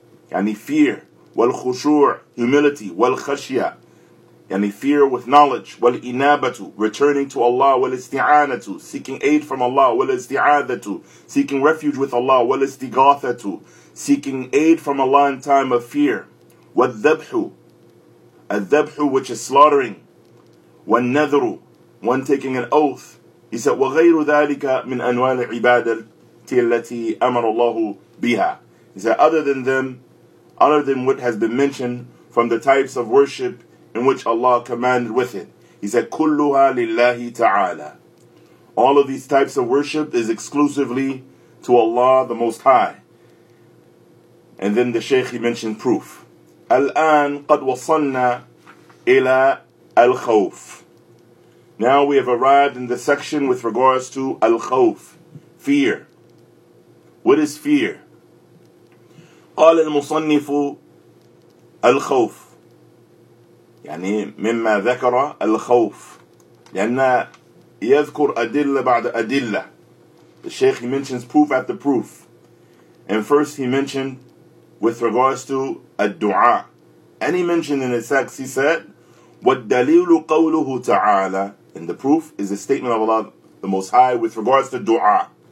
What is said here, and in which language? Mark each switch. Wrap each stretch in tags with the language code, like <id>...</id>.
<en>يعني fear, والخشوع, humility, والخشية, يعني fear with knowledge, والإنابة, returning to Allah, والاستعانة, seeking aid from Allah, والاستعاذة, seeking refuge with Allah, والاستغاثة, seeking aid from Allah in time of fear, والذبح, الذبح, which is slaughtering, والنذر, one taking an oath. He said</en> <ar>وغير ذلك من أنواع العبادة التي أمر الله بها.</ar> <en>He said other than what has been mentioned from the types of worship in which Allah commanded with it. He said</en> <ar>كلها لله تعالى.</ar> <en>All of these types of worship is exclusively to Allah the Most High. And then the Shaykh, he mentioned proof.</en> <ar>الآن قد وصلنا إلى الخوف.</ar> <en>Now we have arrived in the section with regards to الخوف, fear. What is fear?</en> <ar>قال المصنف الخوف يعني مما ذكر الخوف لأن يذكر أدلة بعد أدلة.</ar> <en>The Shaykh, he mentions proof after proof. And first he mentioned with regards to الدُّعَاء. And he mentioned in his text, he said,</en> <ar>وَالدَّلِيلُ قَوْلُهُ تَعَالَى.</ar> <en>And the proof is the statement of Allah the Most High with regards to dua.</en>